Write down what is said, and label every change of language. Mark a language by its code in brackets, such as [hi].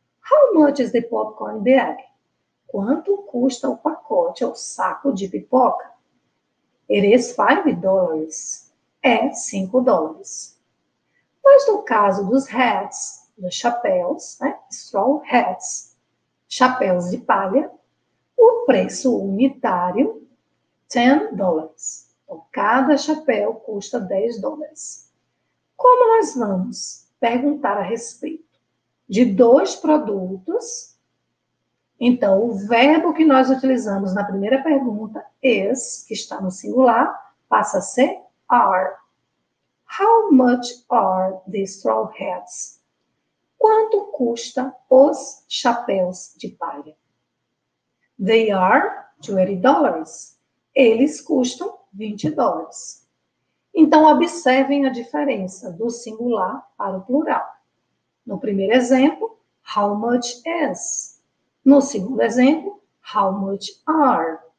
[en] How much is the popcorn bag? [pt] Quanto custa o pacote ou saco de pipoca? [en] It is $5. [pt] É $5. Mas no caso dos hats, dos chapéus, né? [en] Straw hats, [pt] chapéus de palha, o preço unitário, $10. Então, cada chapéu custa $10. Como nós vamos perguntar a respeito de dois produtos? Então, o verbo que nós utilizamos na primeira pergunta, is, que está no singular, passa a ser are. [en] How much are the straw hats? [pt] Quanto custa os chapéus de palha? [en] They are $20. [pt] Eles custam $20. Então, observem a diferença do singular para o plural. No primeiro exemplo, [en] how much is? [pt] No segundo exemplo, [en] how much are?